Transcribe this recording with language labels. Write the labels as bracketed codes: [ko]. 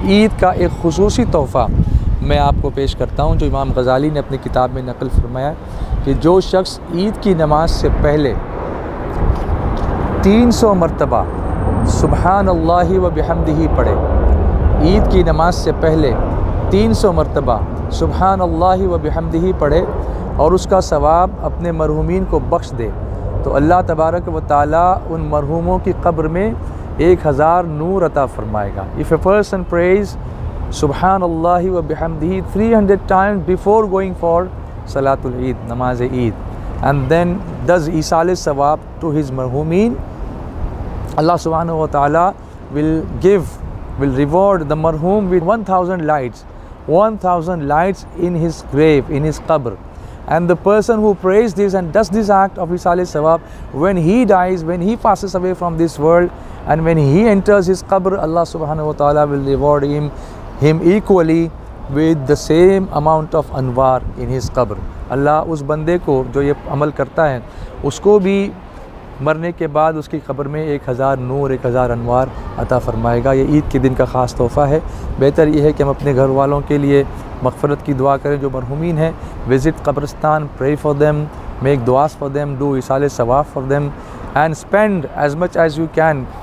[ur] عید کا ایک خصوصی تحفہ میں آپ کو پیش کرتا ہوں، جو امام غزالی نے اپنی کتاب میں نقل فرمایا کہ جو شخص عید کی نماز سے پہلے 300 مرتبہ سبحان اللہ و بحمدہ پڑھے، عید کی نماز سے پہلے 300 مرتبہ سبحان اللہ و بحمدہ پڑھے اور اس کا ثواب اپنے مرحومین کو بخش دے، تو اللہ تبارک و تعالیٰ ان مرحوموں کی قبر میں 1000 نور عطا فرمائے گا. [en] If a person prays سبحان اللہ و بحمدہ 300 times before going for صلاۃ العید، نماز عید، and then does ایصال ثواب to his مرحومین، اللہ سبحانہ و تعالیٰ will reward the marhum with 1000 lights, 1000 lights in his grave, in his qabr. And the person who prays this and does this act of isale sawab, when he dies, when he passes away from this world, and when he enters his qabr, Allah subhanahu wa ta'ala will reward him equally with the same amount of anwar in his qabr. [ur] Allah us bande ko jo ye amal karta hai usko bhi مرنے کے بعد اس کی قبر میں 1000 نور، 1000 انوار عطا فرمائے گا. یہ عید کے دن کا خاص تحفہ ہے. بہتر یہ ہے کہ ہم اپنے گھر والوں کے لیے مغفرت کی دعا کریں جو مرحومین ہیں. [en] Visit قبرستان، pray for them, make دعاس for them, do ایصال ثواب for them, and spend as much as you can.